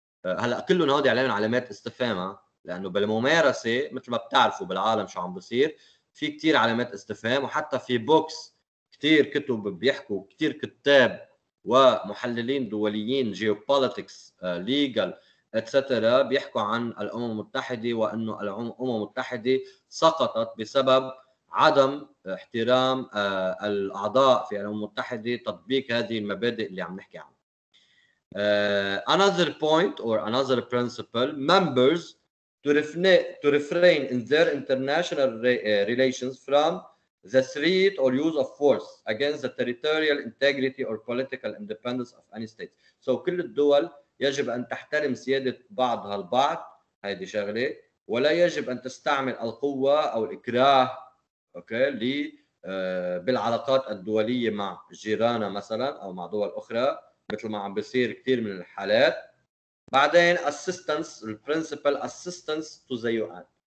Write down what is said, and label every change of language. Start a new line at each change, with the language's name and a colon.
Arabic: هلا كلهم هودي عليهم علامات استفهام، لانه بالممارسة مثل ما بتعرفوا بالعالم شو عم بصير في كتير علامات استفهام، وحتى في بوكس كتير كتب بيحكوا، كتير كتاب ومحللين دوليين جيوبوليتكس ليجل اتسترا بيحكوا عن الأمم المتحدة، وأنه الأمم المتحدة سقطت بسبب عدم احترام الأعضاء في الأمم المتحدة تطبيق هذه المبادئ اللي عم نحكي عنها.
English: Another point or another principle: members to refrain in their international relations from the threat or use of force against the territorial integrity or political independence of any state.
Arabic: So كل الدول يجب أن تحترم سيادة بعضها البعض، هذه شغلة، ولا يجب أن تستعمل القوة أو الإكراه اوكي بالعلاقات الدولية مع جيرانها مثلا أو مع دول أخرى مثل ما عم بيصير كثير من الحالات.
English: بعدين assistance, the principle assistance to the UN.